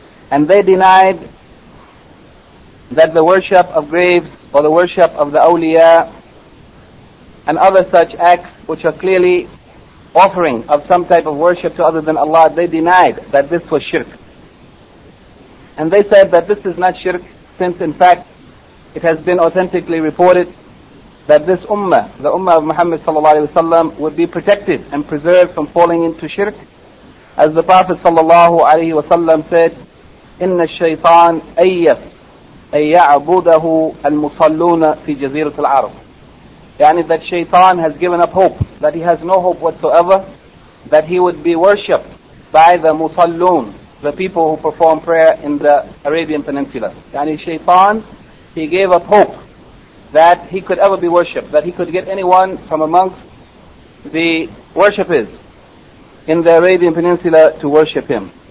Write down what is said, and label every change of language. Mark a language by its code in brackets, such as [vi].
[en] And they denied that the worship of graves or the worship of the awliya and other such acts which are clearly offering of some type of worship to other than Allah, they denied that this was shirk. And they said that this is not shirk, since in fact it has been authentically reported that this ummah, the ummah of Muhammad sallallahu alayhi wa sallam, would be protected and preserved from falling into shirk. As the Prophet sallallahu alayhi wa sallam said, [ar] إِنَّ الشَّيْطَانْ أَيَّفْ أَن يَعْبُدَهُ الْمُصَلُّونَ فِي جَزِيرَةِ الْعَرَبِ. [en] Yani that shaitan has given up hope, that he has no hope whatsoever, that he would be worshipped by the musalloon, the people who perform prayer in the Arabian Peninsula. Yani shaitan, he gave up hope that he could ever be worshipped, that he could get anyone from amongst the worshippers in the Arabian Peninsula to worship him.